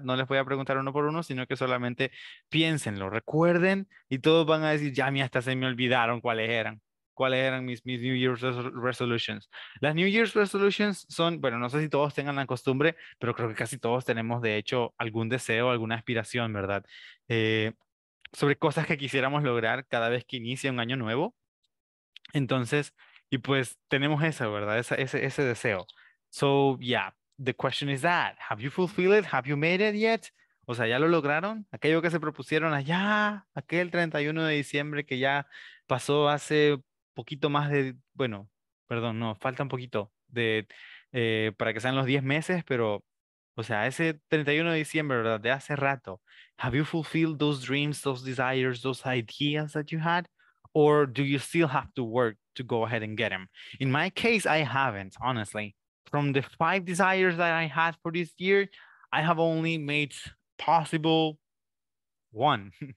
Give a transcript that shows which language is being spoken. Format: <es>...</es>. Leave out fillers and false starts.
<es>No les voy a preguntar uno por uno, sino que solamente piénsenlo, recuerden, y todos van a decir, ya, mira, hasta se me olvidaron cuáles eran mis New Year's resolutions. Las New Year's resolutions son, bueno, no sé si todos tengan la costumbre, pero creo que casi todos tenemos, de hecho, algún deseo, alguna aspiración, ¿verdad? Sobre cosas que quisiéramos lograr cada vez que inicia un año nuevo. Entonces, y pues tenemos esa, ¿verdad? Ese deseo.</es> <en>So, yeah, the question is that, have you fulfilled it? Have you made it yet? O sea, ¿ya lo lograron?</en> <es>Aquello que se propusieron allá, aquel 31 de diciembre que ya pasó hace poquito más de, bueno, perdón, no, falta un poquito de, para que sean los 10 meses, pero, o sea, ese 31 de diciembre, ¿verdad? De hace rato.</es> <en>Have you fulfilled those dreams, those desires, those ideas that you had? Or do you still have to work to go ahead and get them? In my case, I haven't, honestly. From the 5 desires that I had for this year, I have only made possible 1.</en>